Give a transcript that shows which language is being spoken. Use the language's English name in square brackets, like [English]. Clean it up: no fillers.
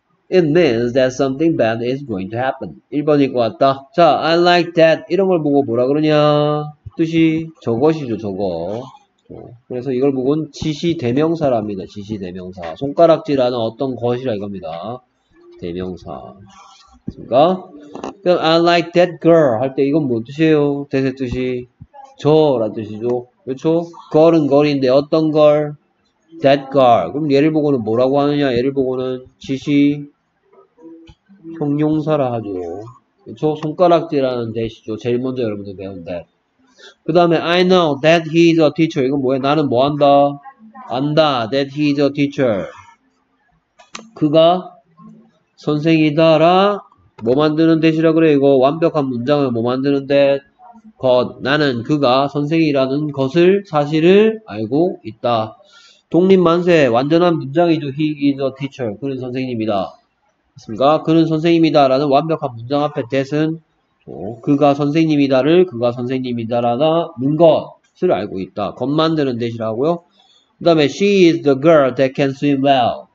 [English] It means that something bad is going to happen. [Korean] 1번일 것 같다. 자, [English] I like that. [Korean] 이런 걸 보고 뭐라 그러냐. 뜻이 저것이죠, 저거. 그래서 이걸 보고 지시 대명사랍니다. 지시 대명사. 손가락질하는 어떤 것이라 이겁니다. 대명사. 그니까? 그럼 [English] I like that girl [Korean] 할 때 이건 뭔 뜻이에요? 대세 뜻이. 저란 뜻이죠. 그렇죠? girl은 girl인데 어떤 girl? [English] That girl. [Korean] 그럼 얘를 보고는 뭐라고 하느냐? 얘를 보고는 지시 형용사라 하죠. 그쵸? 손가락질하는 대시죠. 제일 먼저 여러분들 배운 that. [English] 그 다음에 I know that he is a teacher. [Korean] 이건 뭐예요? 나는 뭐 한다? 안다. [English] That he is a teacher. [Korean] 그가 선생이다 라 뭐 만드는 대시라 그래? 이거 완벽한 문장을 뭐 만드는 that? 것. 나는 그가 선생이라는 것을 사실을 알고 있다. 독립 만세, 완전한 문장이죠. [English] He is a teacher. [Korean] 그는 선생님이다. 맞습니까? 그는 선생님이다. 라는 완벽한 문장 앞에 that은 그가 선생님이다를 그가 선생님이다라는 것을 알고 있다. 겉 만드는 that이라고요. [English] 그 다음에 she is the girl that can swim well.